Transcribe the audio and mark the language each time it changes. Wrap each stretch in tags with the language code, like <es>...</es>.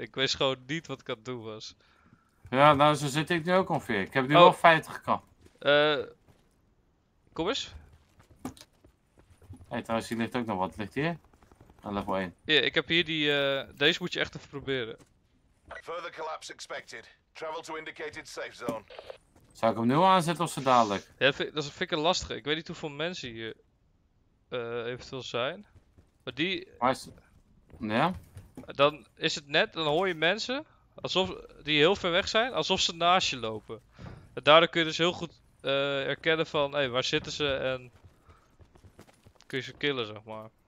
<nl>Ik wist gewoon niet wat ik aan het doen was. Ja, nou zo zit ik nu ook ongeveer. Ik heb nu wel 50 kan. Kom eens. Hey, trouwens, hier ligt ook nog wat. Ligt hier? Aan level 1. Ja, ik heb hier die. Deze moet je echt even proberen.</nl> <en>Further collapse expected. Travel to indicated safe zone.</en> <nl>Zou ik hem nu aanzetten of zo dadelijk? Ja, dat vind ik een lastige. Ik weet niet hoeveel mensen hier eventueel zijn. Maar die. Ja? Dan is het net, dan hoor je mensen alsof die heel ver weg zijn, alsof ze naast je lopen. En daardoor kun je dus heel goed herkennen van hé, waar zitten ze en kun je ze killen, zeg maar.</nl>